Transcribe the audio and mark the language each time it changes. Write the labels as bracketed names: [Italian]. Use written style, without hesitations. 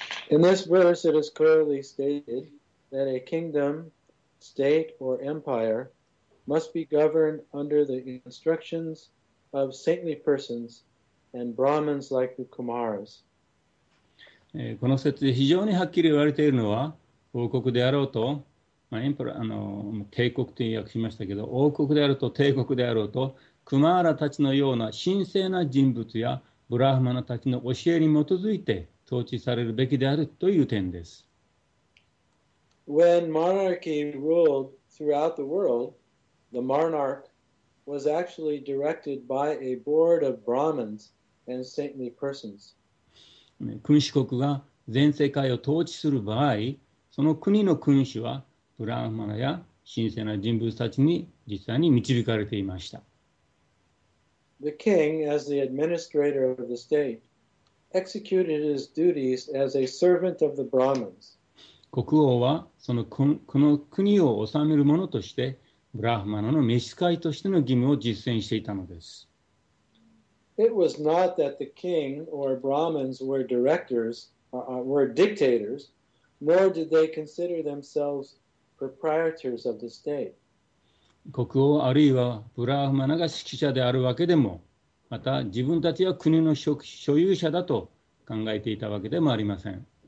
[English] In this verse, it is clearly stated that a kingdom, state, or empire must be governed under the instructions of saintly persons and Brahmins like the Kumaras. [Japanese] この説で非常にはっきり言われているのは、王国であろうと、まあ、エンプラ、あの、帝国と訳しましたけど、王国であろうと帝国であろうと、クマーラたちのような神聖な人物やブラハマナたちの教えに基づいて統治されるべきであるという点です。 [English] When monarchy ruled throughout the world, the monarch was actually directed by a board of Brahmins and saintly persons. [Japanese] 君主国が全世界を統治する場合、その国の君主はブラハマナや神聖な人物たちに実際に導かれていました。 [English] The king, as the administrator of the state, executed his duties as a servant of the Brahmins. [Japanese] 国王はその この国を治める者として、ブラハマナの召使いとしての義務を実践していたのです。 [English] It was not that the king or Brahmins were directors, were dictators, nor did they consider themselves proprietors of the state. [Japanese] 国王あるいはブラハマナが指揮者であるわけでも、また自分たちは国の所有者だと考えていたわけでもありません。